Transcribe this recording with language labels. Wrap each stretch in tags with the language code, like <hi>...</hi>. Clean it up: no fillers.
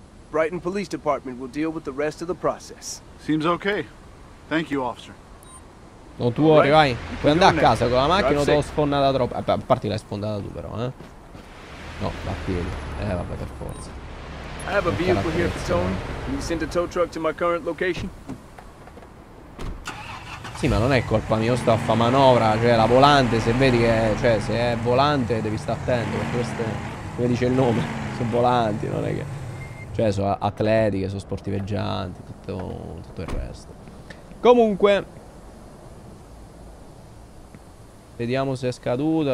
<en>Brighton Police Department will deal with the rest of the process. Seems okay. Thank you, officer.</en> <it>Non tu vuoi, vai. Puoi andare a casa con la macchina o te l'ho sfondata troppo. A parte l'hai sfondata tu, però, eh. No, va a piedi. Vabbè, per forza.</it> <en>I have a vehicle here for towing. Can you send a tow truck to my current location?</en> <it>Sì, ma non è colpa mia, sto a fa manovra, cioè la volante, se vedi che è, cioè se è volante devi stare attento, perché queste, come dice il nome, sono volanti, non è che, cioè sono atletiche, sono sportiveggianti, tutto il resto. Comunque vediamo se è scaduta.</it>